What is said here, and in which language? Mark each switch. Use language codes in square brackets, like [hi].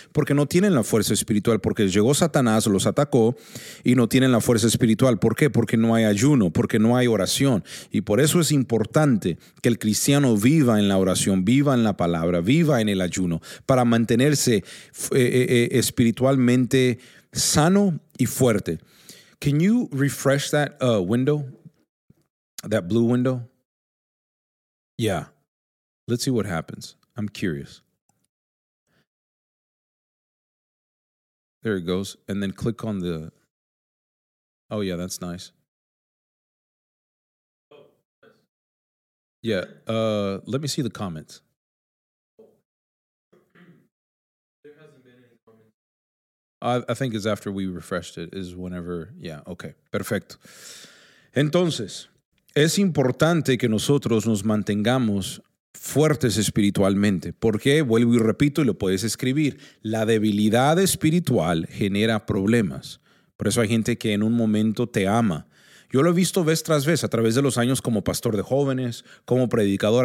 [es] Porque no tienen la fuerza espiritual, porque llegó Satanás, los atacó y no tienen la fuerza espiritual. ¿Por qué? Porque no hay ayuno, porque no hay oración, y por eso es importante que el cristiano viva en la oración, viva en la palabra, viva en el ayuno para mantenerse espiritualmente sano y fuerte. [en] Can you refresh that window? That blue window? Yeah. Let's see what happens. I'm curious. There it goes. And then click on the... Oh yeah, that's nice. Yeah, let me see the comments. There hasn't been any comments. I think it's after we refreshed it, is whenever, yeah, okay, perfecto. [es] Entonces, es importante que nosotros nos mantengamos fuertes espiritualmente, porque, vuelvo y repito, y lo puedes escribir, la debilidad espiritual genera problemas. Por eso hay gente que en un momento te ama. Yo lo he visto vez tras vez a través de los años como pastor de jóvenes, como predicador.